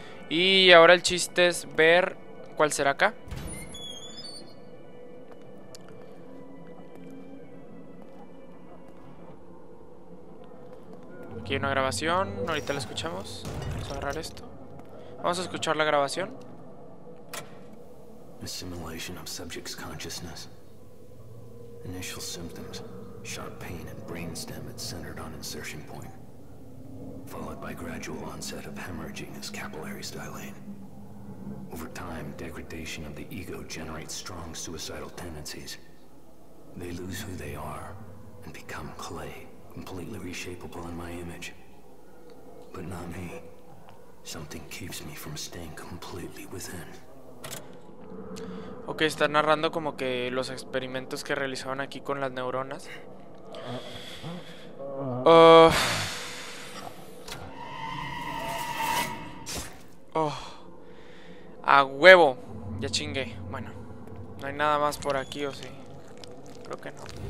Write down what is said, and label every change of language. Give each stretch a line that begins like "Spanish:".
Spanish: Y ahora el chiste es ver cuál será acá. Aquí hay una grabación, ahorita la escuchamos. Vamos a agarrar esto. Vamos a escuchar la grabación.
English: Assimilation of subject's consciousness. Initial symptoms: sharp pain and brainstem at centered on insertion point, followed by gradual onset of hemorrhaging as capillaries dilate. Over time, degradation of the ego generates strong suicidal tendencies. They lose who they are and become clay. Completely reshapable in my image. But not me. Something keeps me from staying completely within.
Spanish: Ok, está narrando como que los experimentos que realizaban aquí con las neuronas. A huevo. Ya chingué. Bueno, no hay nada más por aquí, ¿o sí? Creo que no.